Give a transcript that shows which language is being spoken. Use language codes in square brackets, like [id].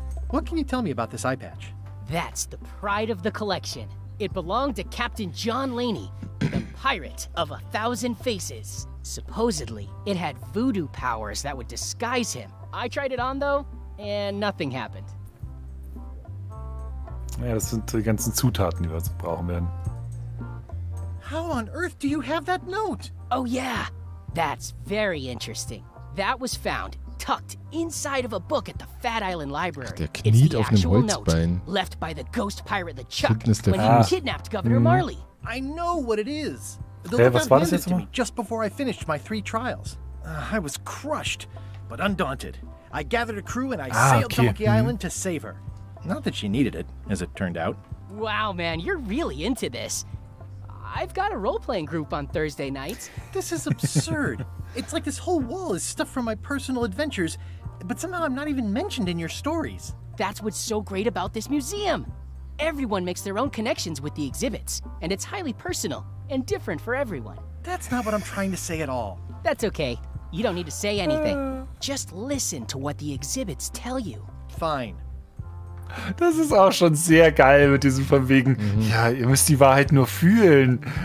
[en] What can you tell me about this eye patch? That's the pride of the collection. It belonged to Captain John Laney, the pirate of a thousand faces. Supposedly, it had voodoo powers that would disguise him. I tried it on, though, and nothing happened. [de] Ja, das sind die ganzen Zutaten, die wir jetzt brauchen werden. [en] How on earth do you have that note? Oh yeah, that's very interesting. That was found tucked inside of a book at the Fat Island Library. [de] Der kniet auf einem Holzbein. [en] Left by the ghost pirate LeChuck when he kidnapped Governor Marley. I know what it is. [de] Hey, was war das jetzt mal? [en] Just before I finished my three trials. I was crushed, but undaunted. I gathered a crew and I sailed to Monkey Island to save her. Not that she needed it, as it turned out. Wow, man, you're really into this. I've got a role-playing group on Thursday nights. This is absurd. It's like this whole wall is stuff from my personal adventures, but somehow I'm not even mentioned in your stories. That's what's so great about this museum. Everyone makes their own connections with the exhibits, and it's highly personal and different for everyone. That's not what I'm trying to say at all. That's okay. You don't need to say anything. Just listen to what the exhibits tell you. Fine. [de] Das ist auch schon sehr geil mit diesem von wegen, ja, ihr müsst die Wahrheit nur fühlen.